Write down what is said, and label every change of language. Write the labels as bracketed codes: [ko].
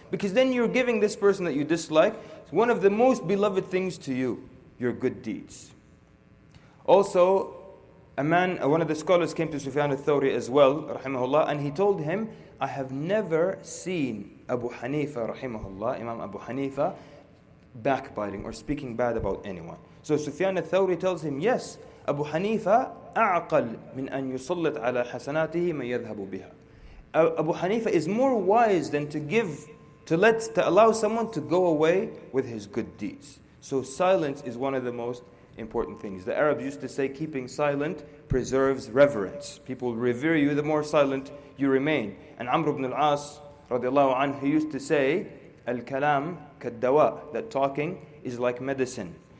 [en] Because then you're giving this person that you dislike one of the most beloved things to you, your good deeds. Also, one of the scholars came to Sufyan al-Thawri as well, rahimahullah, and he told him, I have never seen Abu Hanifa, rahimahullah, Imam Abu Hanifa, backbiting or speaking bad about anyone. So Sufyan al-Thawri tells him, yes, Abu Hanifa, [ar] أعقل من أن يسلط على حسناته من يذهب بها. [en] Abu Hanifa is more wise than to allow someone to go away with his good deeds. So silence is one of the most important things. The Arabs used to say, keeping silent preserves reverence. People revere you the more silent you remain. And Amr ibn al-As, radiallahu anhu, he used to say, [ar] الكلام كالدواء, [en] that talking is like medicine.